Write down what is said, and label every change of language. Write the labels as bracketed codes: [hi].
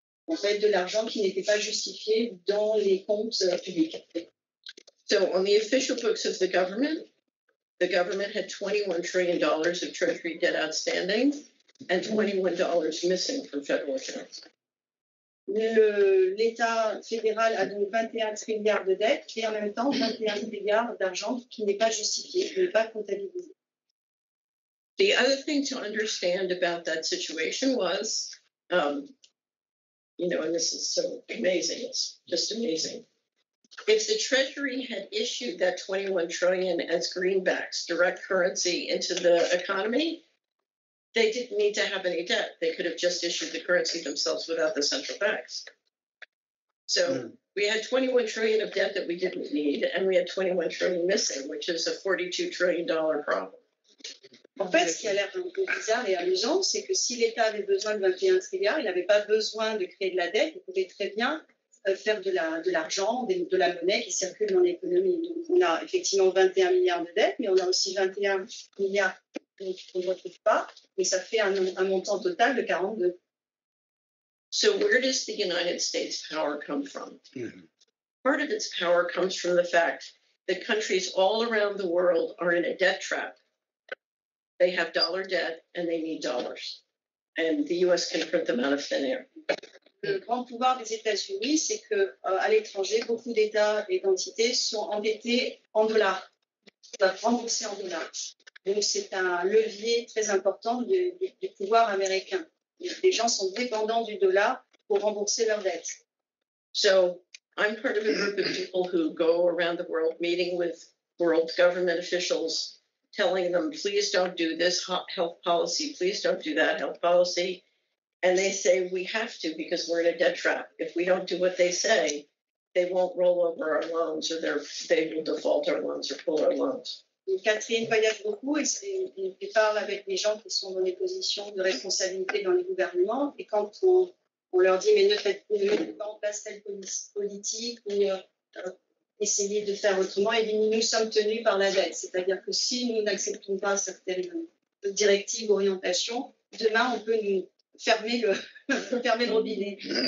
[fr] en fait, de l'argent qui n'était pas justifié dans les comptes publics. [en] So, on the official books of the government had $21 trillion of treasury debt outstanding and $21 missing from federal accounts. [fr] L'État fédéral a donc 21 trilliards de dettes et en même temps 21 trilliards d'argent qui n'est pas justifié, qui n'est pas comptabilisé. [en] The other thing to understand about that situation was, you know, and this is so amazing, it's just amazing. If the Treasury had issued that $21 trillion as greenbacks, direct currency, into the economy, they didn't need to have any debt. They could have just issued the currency themselves without the central banks. So we had $21 trillion of debt that we didn't need, and we had $21 trillion missing, which is a $42 trillion problem. [fr] En fait, ce qui a l'air un peu bizarre et amusant, c'est que si l'État avait besoin de 21 trilliards, il n'avait pas besoin de créer de la dette, il pouvait très bien faire de l'argent, de la monnaie qui circule dans l'économie. Donc, on a effectivement 21 milliards de dettes, mais on a aussi 21 milliards qu'on ne retrouve pas, et ça fait un montant total de 42. [en] So where does the United States power come from? Part of its power comes from the fact that countries all around the world are in a debt trap. They have dollar debt and they need dollars. And the US can print them out of thin air. [fr] Le grand pouvoir des États-Unis, c'est que à l'étranger, beaucoup d'États et d'entités sont endettés en dollars. Ils doivent rembourser en dollars. Donc c'est un levier très important du pouvoir américain. Les gens sont dépendants du dollar pour rembourser leurs dettes. [en] So I'm part of a group of people who go around the world meeting with world government officials, telling them, please don't do this health policy, please don't do that health policy. And they say, we have to because we're in a debt trap. If we don't do what they say, they won't roll over our loans or they will default our loans or pull our loans. [fr] Catherine voyage beaucoup et elle parle avec les gens qui sont dans des positions de responsabilité dans les gouvernements. Et quand on leur dit, mais ne faites pas une passerelle politique ou essayer de faire autrement, et bien nous sommes tenus par la dette. C'est-à-dire que si nous n'acceptons pas certaines directives, orientations, demain on peut nous fermer le robinet.